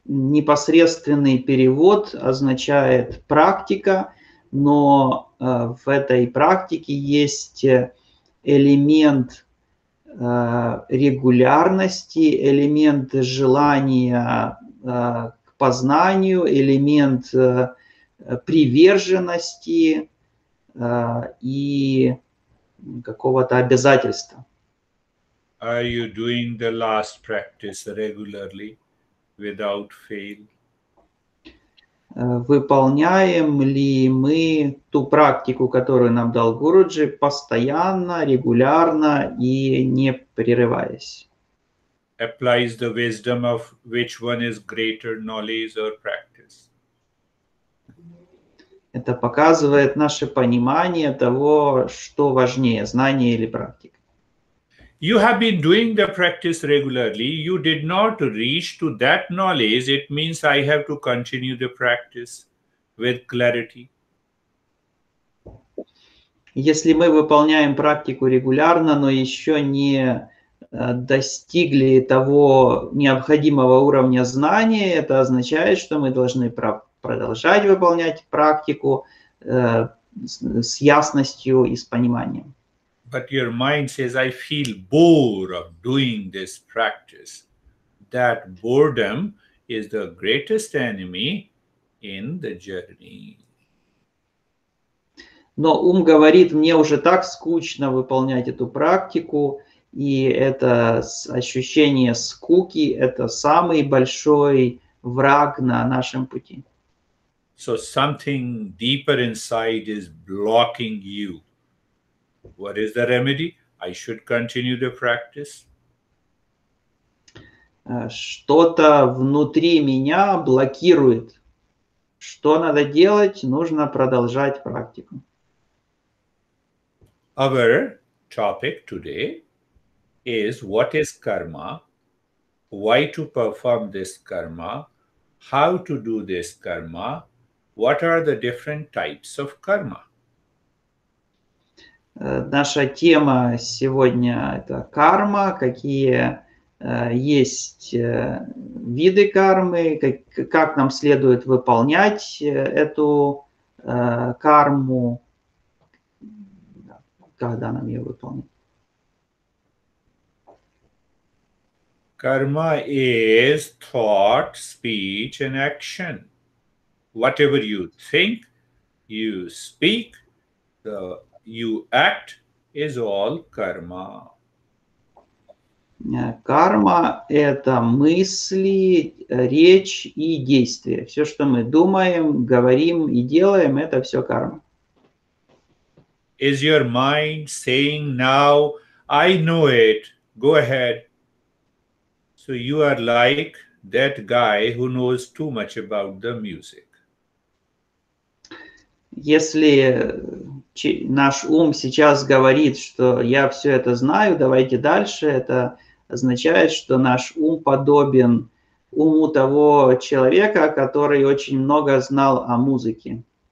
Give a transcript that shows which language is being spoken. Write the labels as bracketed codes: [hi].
[ru] Непосредственный перевод означает практика, но в этой практике есть элемент регулярности, элемент желания к познанию, элемент приверженности и какого-то обязательства. [en] Are you doing the last practice regularly without fail? [ru] Выполняем ли мы ту практику, которую нам дал Гуруджи, постоянно, регулярно и не прерываясь? [en] Applies the wisdom of which one is greater, knowledge or practice. [ru] Это показывает наше понимание того, что важнее, знание или практика. [en] You have been doing the practice regularly. You did not reach to that knowledge. It means I have to continue the practice with clarity. [ru] Если мы выполняем практику регулярно, но еще не достигли того необходимого уровня знания, это означает, что мы должны продолжать выполнять практику с ясностью и с пониманием. [en] But your mind says, I feel bored of doing this practice. That boredom is the greatest enemy in the journey. [ru] Но ум говорит, мне уже так скучно выполнять эту практику, и это ощущение скуки, это самый большой враг на нашем пути. [en] So something deeper inside is blocking you. What is the remedy? I should continue the practice. [ru] что-то внутри меня блокирует. Что надо делать? Нужно продолжать практику. [en] Our topic today is what is karma, why to perform this karma, how to do this karma, what are the different types of karma. [ru] Наша тема сегодня – это карма, какие есть виды кармы, как нам следует выполнять эту карму, когда нам ее выполнять. [en] Karma is thought, speech and action. Whatever you think, you speak, you act is all karma. [ru] Карма – это мысли, речь и действия. Все, что мы думаем, говорим и делаем – это все карма. [en] Is your mind saying now, I know it, go ahead. So you are like that guy who knows too much about the music. [ru] Если наш ум сейчас говорит, что я все это знаю, давайте дальше, это означает, что наш ум подобен уму того человека, который очень много знал о музыке.